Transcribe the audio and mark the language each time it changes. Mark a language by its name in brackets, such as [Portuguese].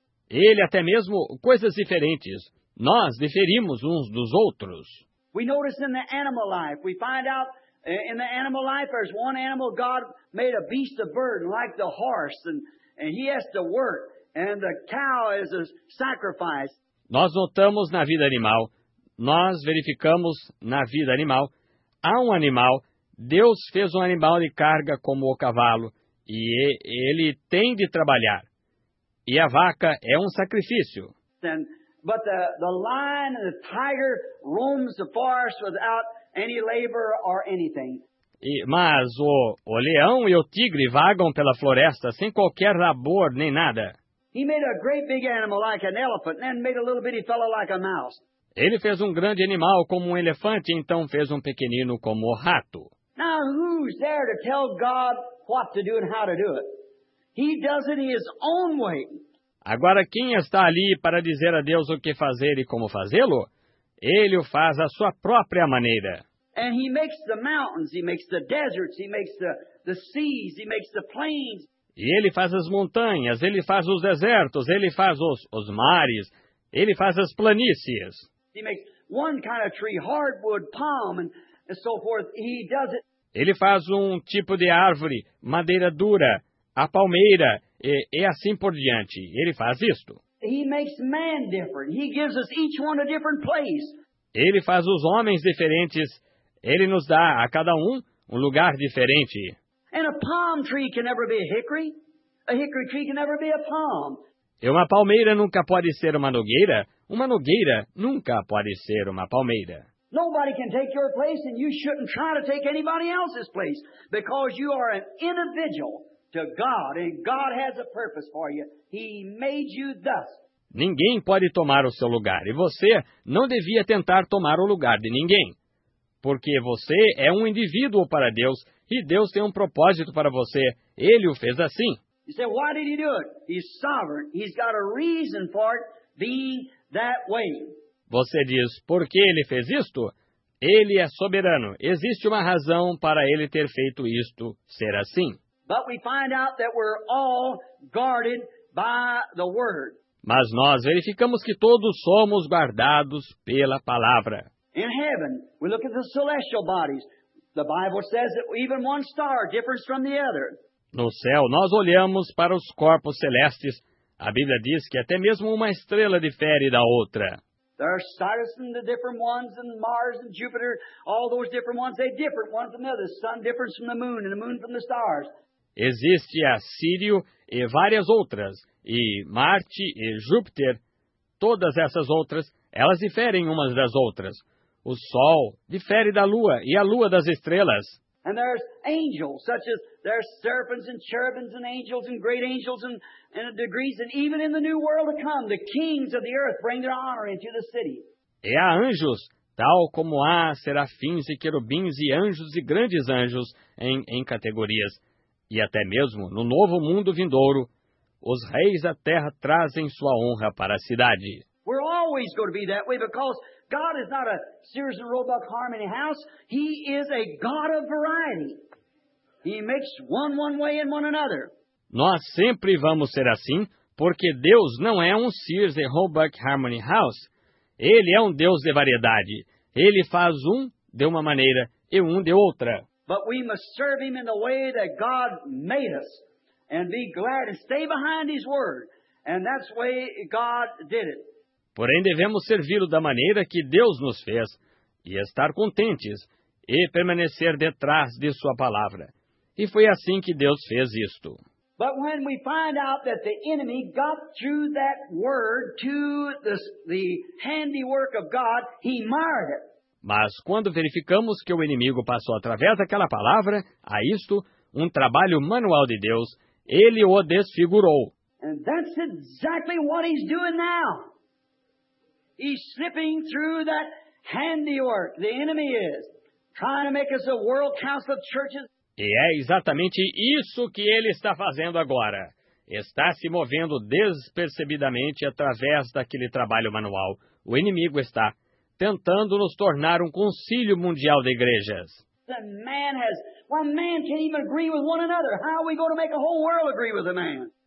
[Portuguese] Ele até mesmo coisas diferentes. Nós diferimos uns dos outros. [English] We notice in the animal life, we find out in the animal life there's one animal God made a beast of burden like the horse, and he has to work, and the cow is a sacrifice. [Portuguese] Nós notamos na vida animal, nós verificamos na vida animal, há um animal, Deus fez um animal de carga como o cavalo, e ele tem de trabalhar. E a vaca é um sacrifício. [English] But the lion and the tiger roams the forest without any labor or anything. [Portuguese] Mas o leão e o tigre vagam pela floresta sem qualquer labor nem nada. [English] He made a great big animal like an elephant, and then made a little bitty fellow like a mouse. [Portuguese] Ele fez um grande animal como um elefante, então fez um pequenino como o rato. [English] Now who's there to tell God what to do and how to do it? He does it his own way. [Portuguese] Agora, quem está ali para dizer a Deus o que fazer e como fazê-lo? Ele o faz à sua própria maneira. [English] And he makes the mountains, he makes the deserts, he makes the seas, he makes the plains. [Portuguese] E ele faz as montanhas, ele faz os desertos, ele faz os mares, ele faz as planícies. [English] He makes one kind of tree, hardwood, palm, and so forth. He does it. [Portuguese] Ele faz um tipo de árvore, madeira dura, a palmeira. E assim por diante, ele faz isto. [English] He makes man different. He gives us each one a different place. [Portuguese] Ele faz os homens diferentes. Ele nos dá a cada um lugar diferente. [English] And a palm tree can never be a hickory. A hickory tree can never be a palm. [Portuguese] E uma palmeira nunca pode ser uma nogueira. Uma nogueira nunca pode ser uma palmeira. [English] Nobody can take your place, and you shouldn't try to take anybody else's place, because you are an individual. To God, and God has a purpose for you. He made you thus. [Portuguese] Ninguém pode tomar o seu lugar, e você não devia tentar tomar o lugar de ninguém, porque você é um indivíduo para Deus, e Deus tem um propósito para você. Ele o fez assim. [English] You say, why did he do it? He's sovereign. He's got a reason for it being that way. [Portuguese] Você diz, por que ele fez isto? Ele é soberano. Existe uma razão para ele ter feito isto ser assim. [English] But we find out that we're all guarded by the word. [Portuguese] Mas nós verificamos que todos somos guardados pela palavra. [English] In heaven, we look at the celestial bodies. The Bible says that even one star differs from the other. [Portuguese] No céu, nós olhamos para os corpos celestes. A Bíblia diz que até mesmo uma estrela difere da outra. [English] There are Sirius and the different ones, and Mars and Jupiter, all those different ones, they differ one from the other. The sun differs from the moon, and the moon from the stars. [Portuguese] Existe a Sírio e várias outras, e Marte e Júpiter, todas essas outras, elas diferem umas das outras. O Sol difere da Lua e a Lua das estrelas. [English] And there's angels, such as there's serpents and cherubims and angels and great angels and degrees, and even in the new world to come, the kings of the earth bring their honor into the city. [Portuguese] E há anjos, tal como há serafins e querubins e anjos e grandes anjos em categorias. E até mesmo no novo mundo vindouro, os reis da terra trazem sua honra para a cidade. [English] We're always going to be that way because God is not a Sears and Roebuck Harmony House. He is a God of variety. He makes one way and one another. [Portuguese] Nós sempre vamos ser assim porque Deus não é um Sears and Roebuck Harmony House. Ele é um Deus de variedade. Ele faz um de uma maneira e um de outra. [English] But we must serve him in the way that God made us and be glad to stay behind his word. And that's the way God did it. [Portuguese] Porém, devemos servi-lo da maneira que Deus nos fez e estar contentes e permanecer detrás de sua palavra. E foi assim que Deus fez isto. [English] But when we find out that the enemy got through that word to the handiwork of God, he marred it. [Portuguese] Mas quando verificamos que o inimigo passou através daquela palavra, a isto, um trabalho manual de Deus, ele o desfigurou. [English] And that's exactly what he's doing now. He's slipping through that handiwork. The enemy is trying to make us a world council of churches. [Portuguese] E é exatamente isso que ele está fazendo agora. Está se movendo despercebidamente através daquele trabalho manual. O inimigo está tentando nos tornar um concílio mundial de igrejas. [English] The man has, well, man can't even agree with one another. How are we going to make a whole world agree with a man?